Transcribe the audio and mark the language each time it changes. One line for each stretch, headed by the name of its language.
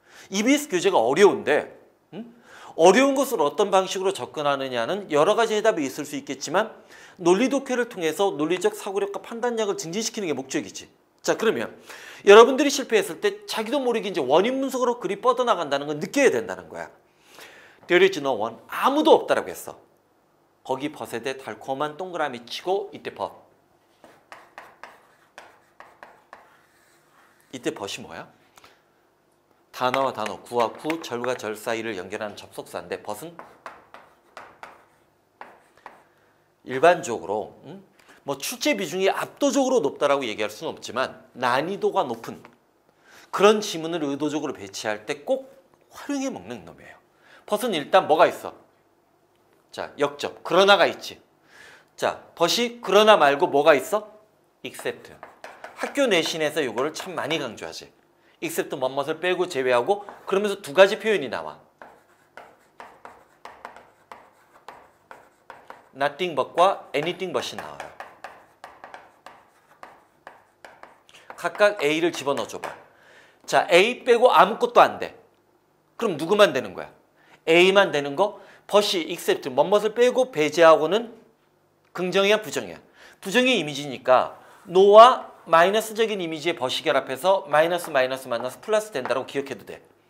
Korean: EBS 교재가 어려운데, 어려운 것을 어떤 방식으로 접근하느냐는 여러 가지 해답이 있을 수 있겠지만, 논리 독해를 통해서 논리적 사고력과 판단력을 증진시키는 게 목적이지. 자, 그러면 여러분들이 실패했을 때 자기도 모르게 이제 원인 분석으로 글이 뻗어나간다는 건 느껴야 된다는 거야.
English: There is no one,
Korean: 아무도 없다라고 했어. 거기 벗에 대해 달콤한 동그라미 치고 이때 벗. 이때 벗이 뭐야? 단어와 단어, 구와 구, 절과 절 사이를 연결하는 접속사인데, 벗은 일반적으로 뭐 출제 비중이 압도적으로 높다라고 얘기할 수는 없지만 난이도가 높은 그런 지문을 의도적으로 배치할 때 꼭 활용해 먹는 놈이에요. 벗은 일단 뭐가 있어? 자, 역접, 그러나가 있지. 자, 벗이 그러나 말고 뭐가 있어?
English: except.
Korean: 학교 내신에서 이거를 참 많이 강조하지. except 뭣뭣을 빼고 제외하고, 그러면서 두 가지 표현이 나와. nothing but과 anything but이 나와요. 각각 A를 집어넣어줘봐. 자, A 빼고 아무것도 안 돼. 그럼 누구만 되는 거야? A만 되는 거? but이 except 뭣뭣을 빼고 배제하고는 긍정이야, 부정이야? 부정의 이미지니까 no와 마이너스적인 이미지의 벗이 결합해서 마이너스 마이너스 마이너스 플러스 된다고 기억해도 돼.